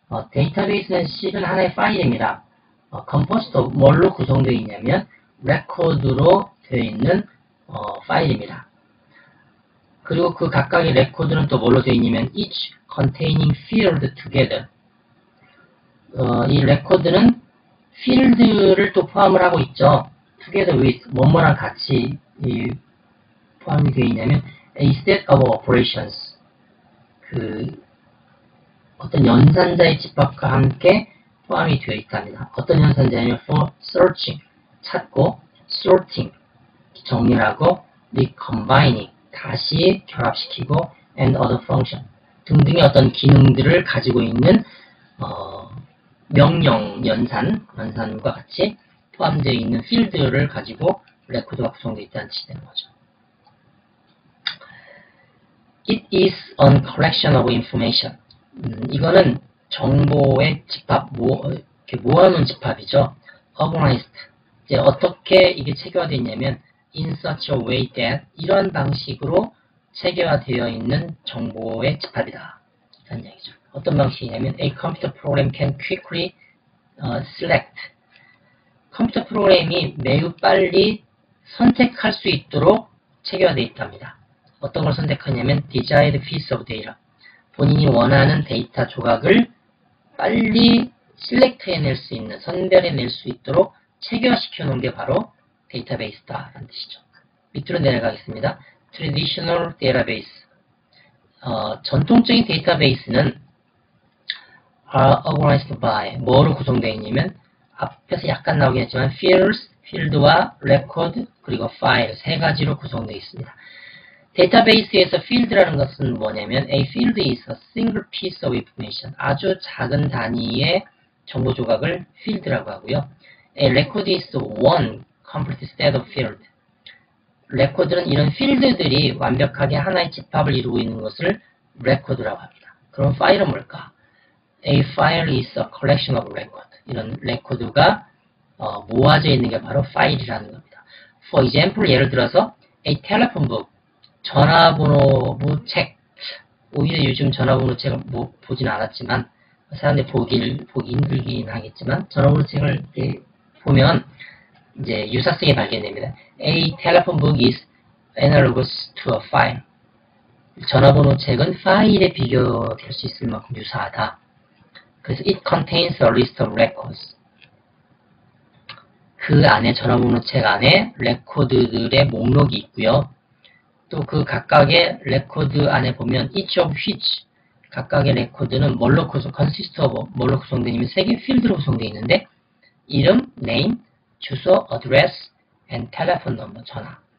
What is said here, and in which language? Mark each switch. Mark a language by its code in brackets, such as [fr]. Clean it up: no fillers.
[ko] 데이터베이스는 실은 하나의 파일입니다. [en] composed of [ko] 뭘로 구성되어 있냐면 레코드로 되어 있는 파일입니다. 그리고 그 각각의 레코드는 또 뭘로 되어 있냐면 [en] each containing field together. [ko] 이 레코드는 필드를 또 포함을 하고 있죠. [en] together with [ko] 뭐뭐랑 같이 포함이 되어 있냐면 [en] a set of operations. [ko] 그 어떤 연산자의 집합과 함께 포함이 되어 있답니다. 어떤 연산자냐면 [en] for searching [ko] 찾고 [en] sorting [ko] 정렬하고 [en] recombining [ko] 다시 결합시키고 [en] and other function [ko] 등등의 어떤 기능들을 가지고 있는 명령 연산과 같이 포함되어 있는 필드를 가지고 레코드가 구성되어 있다는 뜻이 되는 거죠. [en] It is a collection of information. [ko] 이거는 정보의 집합, 이렇게 모아놓은 집합이죠. [en] Organized. [ko] 이제 어떻게 이게 체계화되어 있냐면 [en] In such a way that [ko] 이런 방식으로 체계화되어 있는 정보의 집합이다. 이런 얘기죠. 어떤 방식이냐면 [en] A computer program can quickly select. [ko] 컴퓨터 프로그램이 매우 빨리 선택할 수 있도록 체계화되어 있답니다. 어떤 걸 선택하냐면 [en] Desired piece of data. [ko] 본인이 원하는 데이터 조각을 빨리 select해낼 수 있는, 선별해낼 수 있도록 체계화시켜 놓은 게 바로 데이터베이스다라는 뜻이죠. 밑으로 내려가겠습니다. [en] Traditional Database. [ko] 전통적인 데이터베이스는 [en] are organized by [ko] 뭐로 구성되어 있냐면 앞에서 약간 나오긴 했지만 field와 record 그리고 file 세 가지로 구성되어 있습니다. 데이터베이스에서 field라는 것은 뭐냐면 [en] a field is a single piece of information. [ko] 아주 작은 단위의 정보 조각을 field라고 하고요. [en] a record is one complete set of field. [ko] 레코드는 이런 필드들이 완벽하게 하나의 집합을 이루고 있는 것을 레코드라고 합니다. 그럼 파일은 뭘까? [en] A file is a collection of records. [ko] 이런 레코드가 모아져 있는 게 바로 파일이라는 겁니다. [en] For example, [ko] 예를 들어서, [en] a telephone book, [ko] 전화번호부 책. 오히려 요즘 전화번호 책을 뭐, 보진 않았지만, 사람들이 보기 힘들긴 하겠지만, 전화번호 책을 보면, 이제 유사성이 발견됩니다. [en] A telephone book is analogous to a file. [ko] 전화번호 책은 파일에 비교될 수 있을 만큼 유사하다. 그래서 [en] it contains a list of records. [ko] 그 안에 전화번호 책 안에 레코드들의 목록이 있고요. 또 그 각각의 레코드 안에 보면 [en] each of which [ko] 각각의 레코드는 뭘로 [en] consist of [ko] 뭘로 구성되냐면 세 개 필드로 구성되어 있는데 이름, name, 주소, address, [en] and telephone number [ko] 전화.